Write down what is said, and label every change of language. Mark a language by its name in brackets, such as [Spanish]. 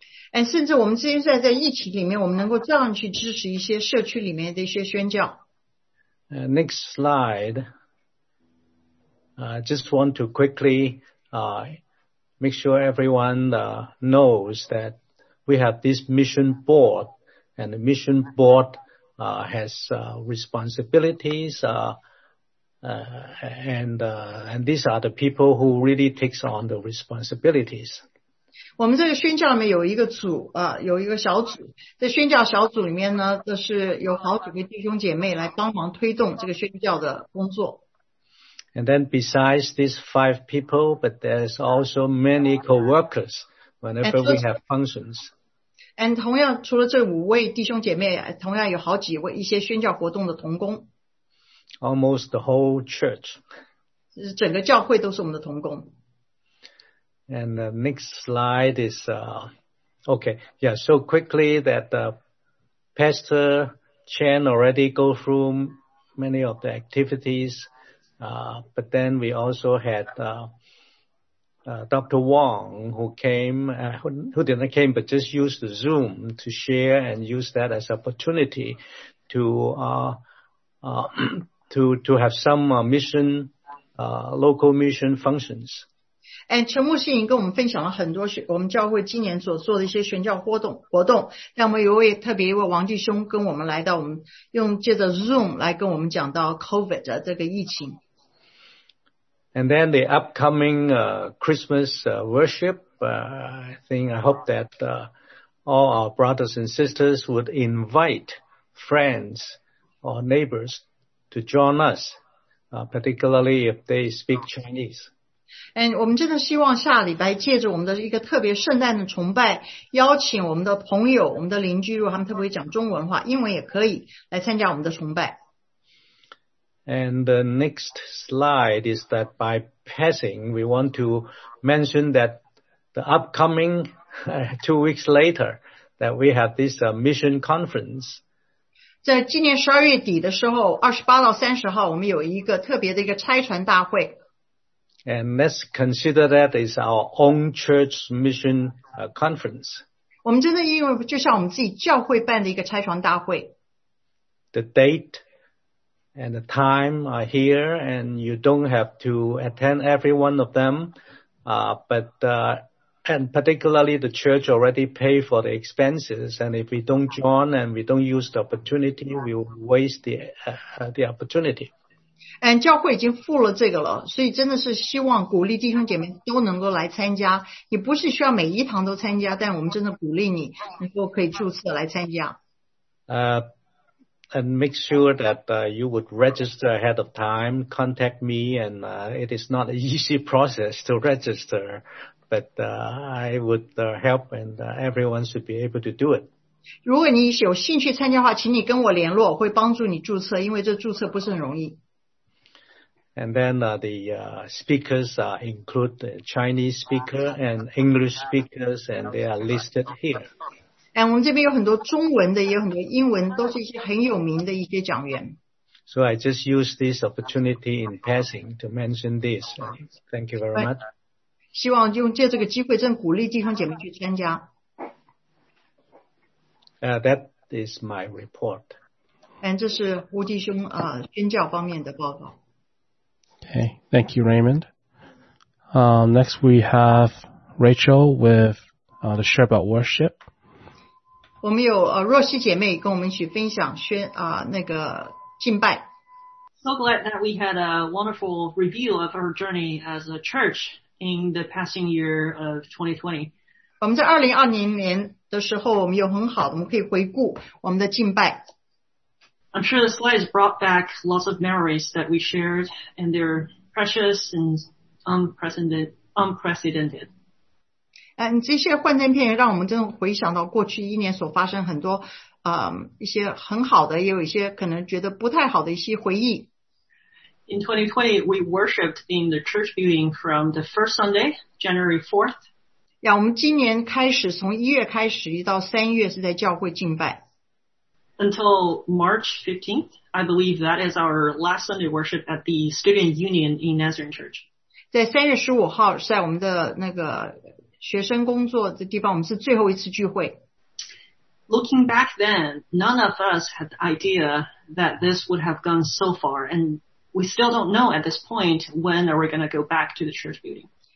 [English] And [Chinese] 甚至我们现在疫情里面我们能够这样去支持一些社区里面的一些宣教。 [English] Next slide. I just want to quickly make sure everyone knows thatWe have this mission board, and the mission board has responsibilities, and these are the people who really takes on the responsibilities. [Chinese] 我们这个宣教里面有一个组，有一个小组。在宣教小组里面呢，这是有好几个弟兄姐妹来帮忙推动这个宣教的工作。 [English] And then besides these five people, but there's also many co-workers whenever we have functions. And [Chinese] 同样除了这五位弟兄姐妹同样有好几位一些宣教活动的同工。 [English] Almost the whole church. [Chinese] 整个教会都是我们的同工。 [English] And the next slide is, okay, yeah, so quickly that Pastor Chen already go through many of the activities, but then we also had,Dr. Wong, who came, who didn't came, but just used the Zoom to share and use that as opportunity to have some mission, local mission functions. And [Chinese] 陈牧师已经跟我们分享了很多我们教会今年所做的一些宣教活动。那我们有位特别一位王弟兄跟我们来到我们用借着 Zoom 来跟我们讲到 COVID 的这个疫情。 [English] And then the upcoming Christmas worship, I hope that all our brothers and sisters would invite friends or neighbors to join us, particularly if they speak Chinese. And [Chinese] 我们真的希望下礼拜借着我们的一个特别圣诞的崇拜，邀请我们的朋友、我们的邻居，如果他们特别讲中文的话，英文也可以来参加我们的崇拜。 [English] And the next slide is that by passing, we want to mention that the upcoming 2 weeks later, that we have this mission conference. [Chinese] 在今年12月底的时候 ,28 到30号我们有一个特别的一个差传大会。 [English] And let's consider that is our own church mission conference. [Chinese] 我们真的因为就像我们自己教会办的一个差传大会。 [English] The date and the time are here and you don't have to attend every one of them, and particularly the church already pay for the expenses, and if we don't join and we don't use the opportunity, we will waste the opportunity. And [Chinese] 教会已经付了这个了，所以真的是希望鼓励弟兄姐妹都能够来参加，也不是需要每一堂都参加，但我们真的鼓励你能够可以注册来参加。 [English] And make sure that you would register ahead of time, contact me, and it is not an easy process to register. But I would help and everyone should be able to do it. [Chinese] 如果你有兴趣参加的话请你跟我联络我会帮助你注册因为这注册不是很容易。 [English] And then speakers include the Chinese speaker and English speakers and they are listed here. And [Chinese] 我们这边有很多中文的也有很多英文都是一些很有名的一些讲员。 [English] So I just use this opportunity in passing to mention this. Thank you very much. [Chinese] 希望用借这个机会正鼓励弟兄姐妹去参加。 [English] That is my report. And [Chinese] 这是吴弟兄宣教方面的报告。 [English] Okay, thank you, Raymond. Next we have Rachel with the share about worship. [Chinese] 我们有若曦姐妹跟我们一起分享宣那个敬拜。 [English] So glad that we had a wonderful review of her journey as a church. In the passing year of 2020. [Chinese] 我们在2020年的时候我们有很好我们可以回顾我们的敬拜。 [English] I'm sure the slides brought back lots of memories that we shared and they're precious and unprecedented. [Chinese] 这些幻灯片让我们真的回想到过去一年所发生很多一些很好的也有一些可能觉得不太好的一些回忆。 [English] In 2020, we worshipped in the church building from the first Sunday, January 4th. Yeah, [Chinese] 我们今年开始从1月开始一到3月是在教会敬拜。 [English] Until March 15th, I believe that is our last Sunday worship at the Student Union in Nazarene Church. [Chinese] 在3月15号是在我们的那个学生工作的地方我们是最后一次聚会。 [English] Looking back then, none of us had the idea that this would have gone so far andWe still don't know at this point when are we going to go back to the church building.